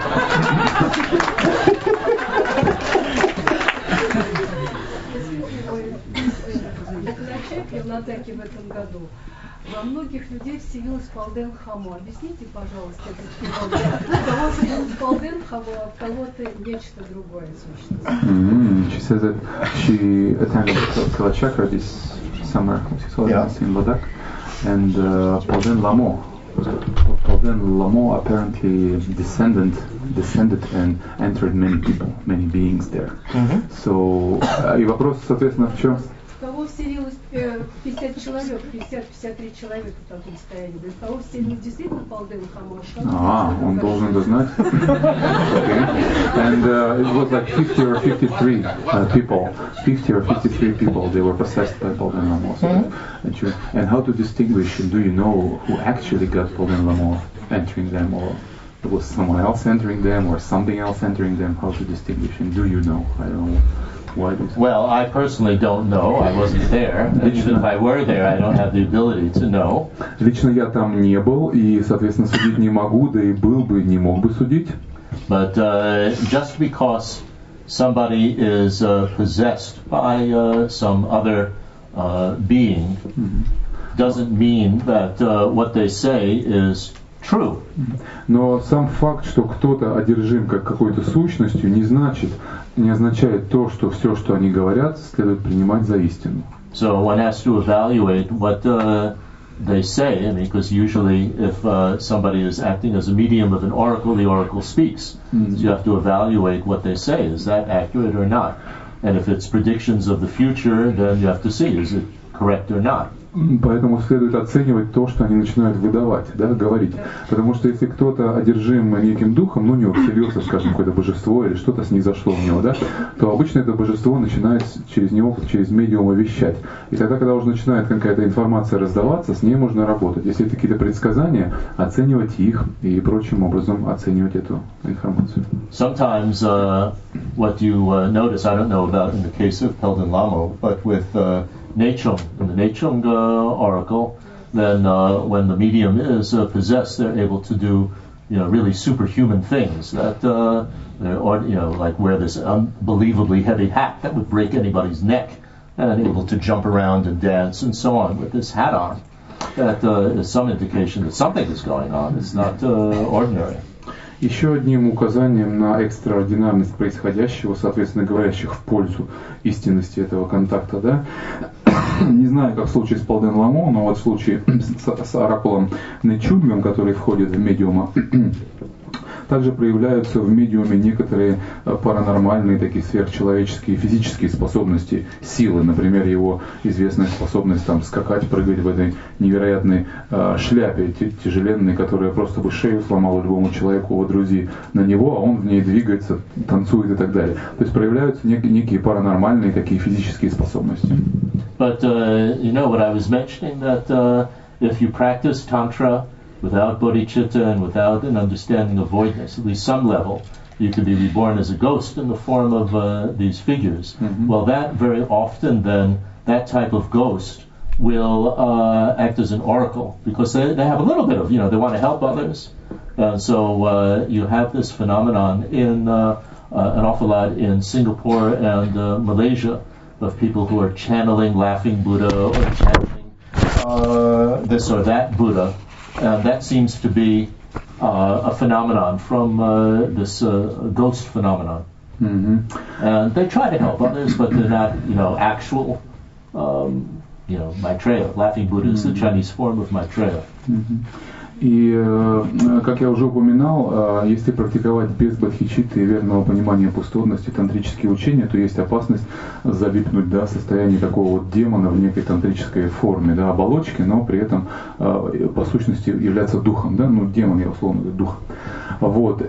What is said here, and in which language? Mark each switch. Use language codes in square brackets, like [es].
[ru] Возвращаясь к Ивнатеке в этом году, во многих людей вселилось Палден Хамо. Объясните, пожалуйста, это Палден. У кого-то был Палден Хамо, а у кого-то нечто другое существо. [en] She said that she attended Kalachakra this summer. She saw that in Ladakh. And Poden Lamo. Poden Lamo apparently descended and entered many people, many beings there. Mm-hmm. [ru] So, и вопрос, соответственно, в чем? Кого вселилось 50 человек, 50-53 человека в таком состоянии? Да, кого вселилось действительно Палден Ламо? Он должен это знать. [en] Okay. And it was like 50 or 53 people. 50 or 53 people, they were possessed by Palden Lamo. Mm-hmm. And how to distinguish, do you know who actually got Palden Lamo entering them, or was someone else entering them, or something else entering them? How to distinguish, and do you know? I don't know. Well, I personally don't know. I wasn't there. [ru] Лично, [en] even if I were there, I don't have the ability to know. [ru] Лично я там не был, и, соответственно, судить не могу, да и был бы, не мог бы судить. [en] But just because somebody is possessed by some other being doesn't mean that what they say is true. [ru] Но сам факт, что кто-то одержим как какой-то сущностью, не значит, не означает то, что все, что они говорят, следует принимать за истину. [en] So one has to evaluate what they say, I mean, because usually if somebody is acting as a medium of an oracle, the oracle speaks. Mm-hmm. So you have to evaluate what they say. Is that accurate or not? And if it's predictions of the future, then you have to see, is it correct or not? [ru] Поэтому следует оценивать то, что они начинают выдавать, да, говорить. Потому что если кто-то одержим неким духом, ну, у него вселился, скажем, какое-то божество или что-то снизошло в него, да, то обычно это божество начинает через него, через медиума вещать. И тогда, когда уже начинает какая-то информация раздаваться, с ней можно работать. Если это какие-то предсказания, оценивать их и прочим образом оценивать эту информацию. [en] Sometimes what you notice, I don't know about in the case of Pelden Lamo, but with Nechung, in the Nechung oracle, then when the medium is possessed, they're able to do, you know, really superhuman things that, or, you know, like wear this unbelievably heavy hat that would break anybody's neck, and able to jump around and dance and so on with this hat on. That is some indication that something is going on. It's not ordinary. [ru] Еще одним указанием на экстраординарность происходящего, соответственно, говорящих в пользу истинности этого контакта, да, не знаю, как в случае с Палден Ламо, но вот в случае с оракулом Нечунгом, который входит в медиума, также проявляются в медиуме некоторые паранормальные, такие сверхчеловеческие физические способности, силы. Например, его известная способность там скакать, прыгать в этой невероятной шляпе, тяжеленной, которая просто бы шею сломала любому человеку, водрузи на него, а он в ней двигается, танцует и так далее. То есть проявляются некие паранормальные такие физические способности. [en] But you know what I was mentioning, that if you practice tantra without bodhicitta and without an understanding of voidness, at least some level, you could be reborn as a ghost in the form of these figures. Mm-hmm. Well, that very often then, that type of ghost will act as an oracle, because they have a little bit of, you know, they want to help others. And so you have this phenomenon in an awful lot in Singapore and Malaysia, of people who are channeling Laughing Buddha or channeling this or that Buddha. And that seems to be a phenomenon from this ghost phenomenon. Mm-hmm. And they try to help others, but they're not, you know, actual, you know, Maitreya. Laughing Buddha is the Chinese form of Maitreya. Mm-hmm. [ru] И, как я уже упоминал, если практиковать без бодхичитты и верного понимания пустотности тантрические учения, то есть опасность залипнуть, да, в состоянии такого вот демона в некой тантрической форме, да, оболочки, но при этом по сущности являться духом, да, ну, демон, я условно говорю, дух. Вот.